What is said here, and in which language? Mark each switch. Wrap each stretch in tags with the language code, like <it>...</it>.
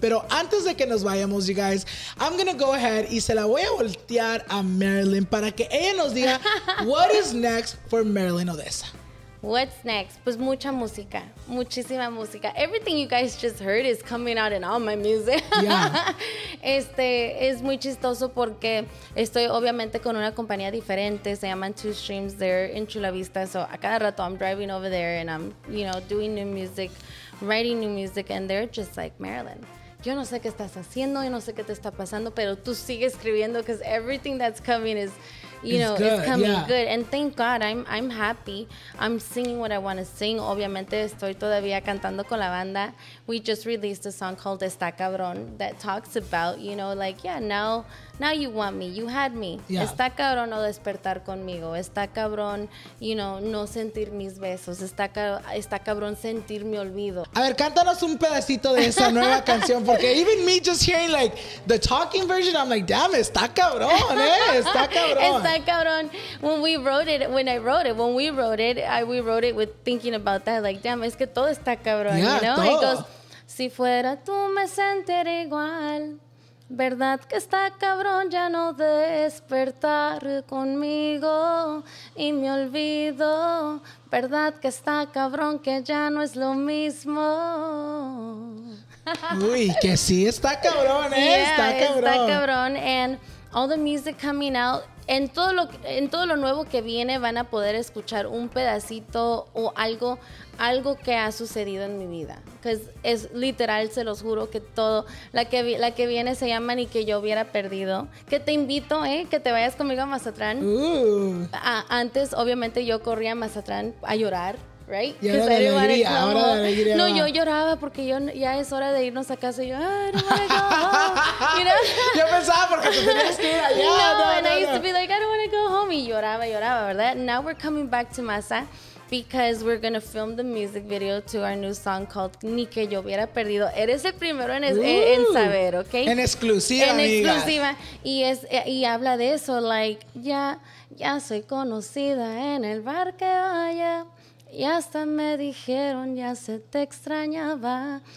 <es>Pero antes de que nos vayamos,</es> <en>you guys, I'm going to go ahead</en> <es>y se la voy a voltear a Marilyn para que ella nos diga</es> <en>what is next for</en> <es>Marilyn Odessa.</es> <en>What's next?</en> <es>Pues mucha música, muchísima música.</es> <en>Everything you guys just heard is coming out in all my music. Yeah.</en> <es>Es muy chistoso porque estoy obviamente con una compañía diferente. Se llaman</es> <en>Two Streams. They're in Chula Vista. So</en> <es>a cada rato</es> <en>I'm driving over there and I'm, you know, doing new music, writing new music. And they're just like, Marilyn, yo no sé qué estás haciendo, yo no sé qué te está pasando, pero tú sigue escribiendo because everything that's coming is... It's coming good. And thank God, I'm happy. I'm singing what I want to sing.</en> <es>Obviamente, estoy todavía cantando con la banda.</es> <en>We just released a song called Está Cabrón that talks about, you know, like, yeah, now you want me. You had me. Yeah.</en> <es>Está cabrón no despertar conmigo. Está cabrón,</es> <en>you know,</en> <es>no sentir mis besos. Está cabrón sentir mi olvido. A ver, cántanos un pedacito de esa nueva canción. Porque</es> <en>even me just hearing, like, the talking version, I'm like, damn,</en> <es>está cabrón, Está cabrón.</es> <en>When we wrote it with thinking about that, like, damn,</en> <es>es que todo está cabrón,</es> <en>yeah, you know?</en> <es>Todo.</es> <en>It goes,</en> <es>si fuera tú me sentiré igual, verdad que está cabrón ya no despertar conmigo y me olvido, verdad que está cabrón que ya no es lo mismo. Uy, que sí está cabrón, Está cabrón.</es> <en>And all the music coming out,</en> <es>en todo lo nuevo que viene van a poder escuchar un pedacito o algo que ha sucedido en mi vida. Pues es literal, se los juro que todo, la que viene se llama Ni que yo hubiera perdido, que te invito, que te vayas conmigo a Mazatlán. Antes obviamente yo corría a Mazatlán a llorar.</es> <en>Right?</en> <es>Y ahora de alegría, ahora de alegría. No, yo lloraba porque yo ya es hora de irnos a casa. Y yo, ay, no voy a ir a casa. Yo pensaba porque te tenías que ir allá.</es> <en>I used to be like, I don't want to go home.</en> <es>Y lloraba, ¿verdad?</es> <en>Now we're coming back to Massa because we're going to film the music video to our new song called Ni que yo hubiera perdido.</en> <es>Eres el primero en saber, ¿ok? En exclusiva, en amiga. Exclusiva. Y habla de eso, like, ya soy conocida en el bar que vaya. Y hasta me dijeron ya se te extrañaba.</es>